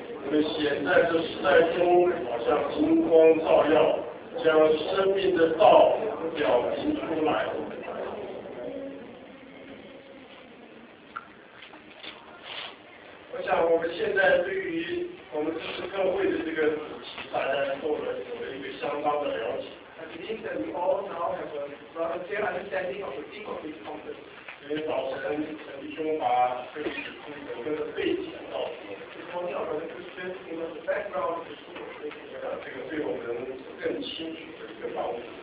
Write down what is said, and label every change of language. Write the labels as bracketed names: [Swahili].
[Chinese] 你们显在这时代中好像金光照耀，将生命的道表明出来。我想我们现在对于我们知识课会的这个主题，大家有了一个相当的了解。 [English] I believe that we all now have a clear understanding of the theme of this conference. [Chinese] 今天早晨，陈弟兄把这个主题整个的背景告诉我们。 [English] This morning, our brother Christian gave us the background of the theme of this conference. [Chinese] 这个对我们更清楚的一个帮助。